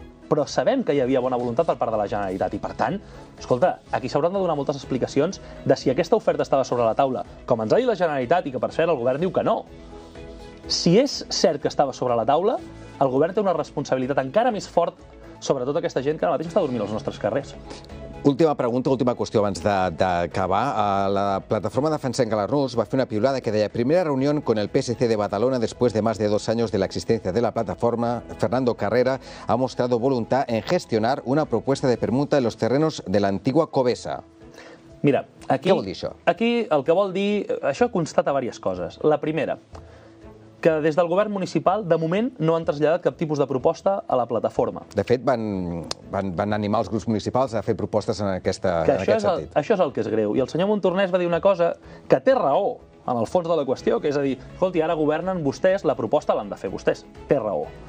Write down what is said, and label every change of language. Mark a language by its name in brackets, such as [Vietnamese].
[Catalan] Però sabem que hi havia bona voluntat per part de la Generalitat. I per tant, escolta, aquí s'hauran de donar moltes explicacions de si aquesta oferta estava sobre la taula, com ens ha dit la Generalitat, i que per cert el govern diu que no. Si és cert que estava sobre la taula, el govern té una responsabilitat encara més fort sobre tota aquesta gent que ara mateix està dormint als nostres carrers. Última pregunta, última qüestió abans d'acabar. La plataforma Defensem Galarnús va fer una piulada que deia: [Spanish] primera reunión con el PSC de Badalona después de más de 2 años de la existencia de la plataforma. Fernando Carrera ha mostrado voluntad en gestionar una propuesta de permuta en los terrenos de la antigua Covesa. [Catalan] Mira, aquí... Què vol dir això? Aquí el que vol dir... Això constata diverses coses. La primera, que des del govern municipal, de moment, no han traslladat cap tipus de proposta a la plataforma. De fet, van animar els grups municipals a fer propostes en aquesta, que en aquest sentit. Això és el que és greu. I el senyor Montornès va dir una cosa que té raó en el fons de la qüestió, que és a dir, escolti, ara governen vostès, la proposta l'han de fer vostès. Té raó.